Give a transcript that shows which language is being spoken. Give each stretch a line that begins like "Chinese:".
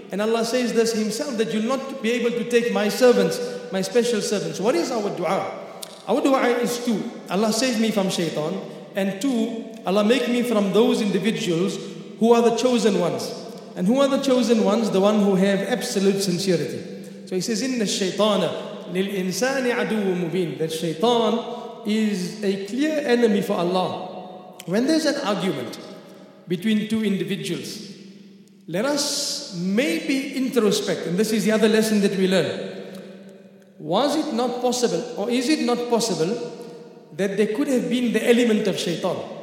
English: And Allah says this Himself, that you'll not be able to take my servants, my special servants. What is our dua? Our dua is two: Allah save me from shaitan, and two, Allah make me from those individuals who are the chosen ones. And who are the chosen ones? The one who have absolute sincerity. So He says,
Arabic: إِنَّ الشَّيْطَانَ لِلْإِنسَانِ عَدُوٌ مُبِينٌ.
English: That shaitan is a clear enemy for Allah. When there's an argument between two individuals, let us maybe introspect, and this is the other lesson that we learn. Was it not possible, or is it not possible, that there could have been the element of shaitan?